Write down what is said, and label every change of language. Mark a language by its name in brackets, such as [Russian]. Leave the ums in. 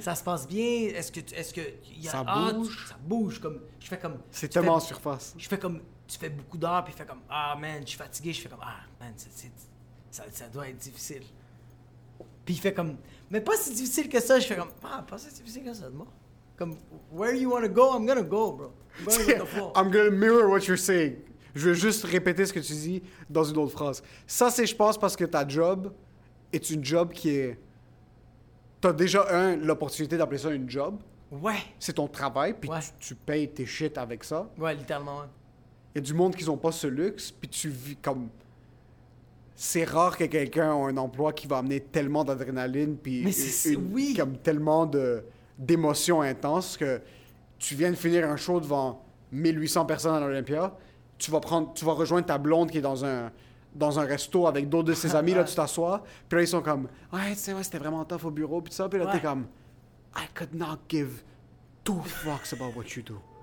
[French] Ça se passe bien? Est-ce que. tu- Est-ce que y a, Ça ah, tu- bouge? ça bouge. Comme, je fais comme. C'est tu tellement en fais- surface. Je fais comme. Tu fais beaucoup d'heures, puis fais comme. Ah, man, je suis fatigué. Je fais comme. Ah, man, c'est- c'est- ça, ça doit être difficile. Puis il fait comme. Mais pas si difficile que ça. Je fais comme. Ah, pas si difficile que ça, moi. [English] Comme, where you wanna go, I'm gonna go, bro. I'm going with the flow. I'm gonna mirror what you're saying. [French] Je vais juste répéter ce que tu dis dans une autre phrase. Ça, c'est, je pense, parce que ta job est une job qui est. T'as déjà, un, l'opportunité d'appeler ça une job. Ouais. C'est ton travail, puis Ouais. tu, tu payes tes shit avec ça. Ouais, littéralement, ouais. Il y a du monde qui n'ont pas ce luxe, puis tu vis comme. C'est rare que quelqu'un ait un emploi qui va amener tellement d'adrénaline, puis Mais c'est- une- oui. comme tellement de- d'émotions intenses que tu viens de finir un show devant 1800 personnes à l'Olympia, tu vas prendre, tu vas rejoindre ta blonde qui est dans un dans un resto avec d'autres de ses amis là, tu t'assois, puis là ils sont comme ouais, tu sais, ouais, c'était vraiment tough au bureau, puis ça, puis là Ouais. t'es comme [English] I could not give two fucks about what you do.